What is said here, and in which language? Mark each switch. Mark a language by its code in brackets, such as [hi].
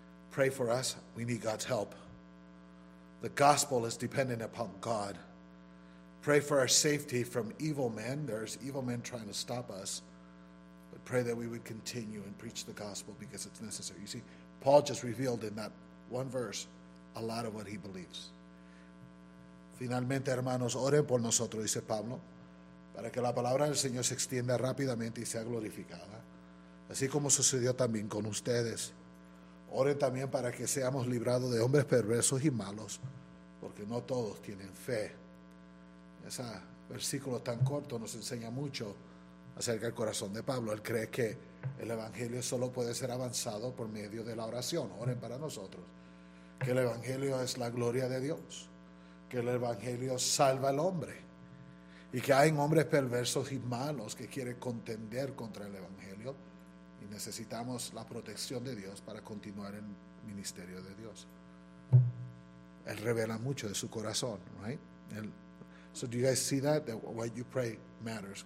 [en] Pray for us. We need God's help. The gospel is dependent upon God. Pray for our safety from evil men. There's evil men trying to stop us. But pray that we would continue and preach the gospel because it's necessary. You see, Paul just revealed in that one verse a lot of what he believes. [es] Finalmente, hermanos, oren por nosotros, dice Pablo, para que la palabra del Señor se extienda rápidamente y sea glorificada. Así como sucedió también con ustedes. Oren también para que seamos librados de hombres perversos y malos, porque no todos tienen fe. Ese versículo tan corto nos enseña mucho acerca del corazón de Pablo. Él cree que el evangelio solo puede ser avanzado por medio de la oración. Oren para nosotros. Que el evangelio es la gloria de Dios. Que el evangelio salva al hombre. Y que hay hombres perversos y malos que quieren contender contra el evangelio. Y necesitamos la protección de Dios para continuar en el ministerio de Dios. Él revela mucho de su corazón, right? [en] So do you guys see that what you pray matters?